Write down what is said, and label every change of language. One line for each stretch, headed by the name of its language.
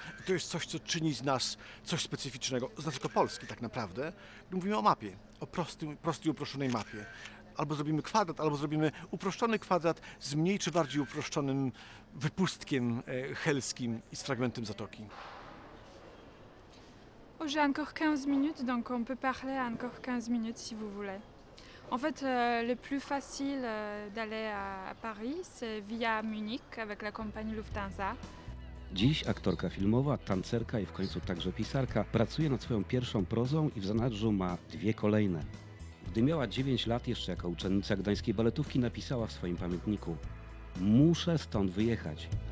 Polish: I to jest coś, co czyni z nas coś specyficznego, z nas jako Polski tak naprawdę. Mówimy o mapie, o prostej, uproszczonej mapie. Albo zrobimy kwadrat, albo zrobimy uproszczony kwadrat z mniej czy bardziej uproszczonym wypustkiem helskim i z fragmentem Zatoki.
French: Oh, j'ai encore 15 minutes, donc on peut parler encore 15 minutes si vous voulez. En fait, le plus facile d'aller à Paris, c'est via Munich avec la compagnie Lufthansa.
Polish: Dziś aktorka filmowa, tancerka i w końcu także pisarka pracuje nad swoją pierwszą prozą i w zanadrzu ma dwie kolejne. Gdy miała 9 lat, jeszcze jako uczennica gdańskiej baletówki, napisała w swoim pamiętniku: muszę stąd wyjechać.